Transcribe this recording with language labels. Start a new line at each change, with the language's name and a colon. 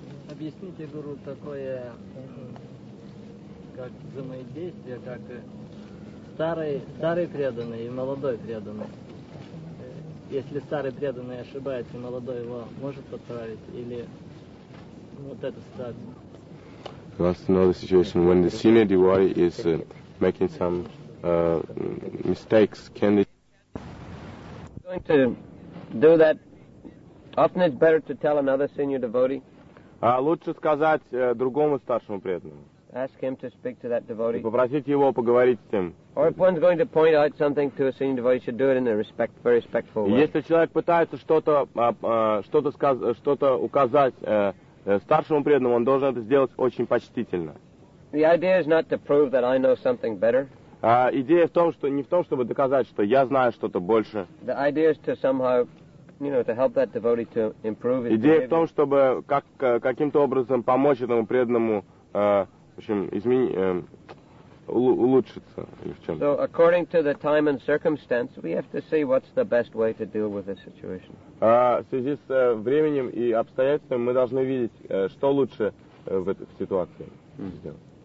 Russian: Объясните, гуру, такое, как взаимодействие, как старый преданный и молодой преданный. Если старый преданный ошибается, молодой его может подправить, или вот эту ситуацию?
English: You want to know the situation when the senior devotee is making some mistakes. Can they... going to do that? Often it's better to tell another senior devotee.
Russian: Лучше сказать другому старшему преданному.
English: Ask him to speak to that devotee.
Russian: И попросить его поговорить с тем.
English: Or if one's going to point out something to a senior devotee, should do it in a very respectful way.
Russian: Если человек пытается что-то указать старшему преданному, он должен это сделать очень почтительно.
English: The idea is not to prove that I know something better.
Russian: Идея в том, что не в том, чтобы доказать, что я знаю что-то больше.
English: The idea is to somehow, you know, to help that devotee to improve his behavior.
Russian: Идея в том, чтобы каким-то образом помочь этому преданному, в общем, улучшиться или в чем-то.
English: So according to the time and circumstance, we have to see what's the best way to deal with the situation.
Russian: В связи с временем и обстоятельствами мы должны видеть, что лучше в ситуации сделать.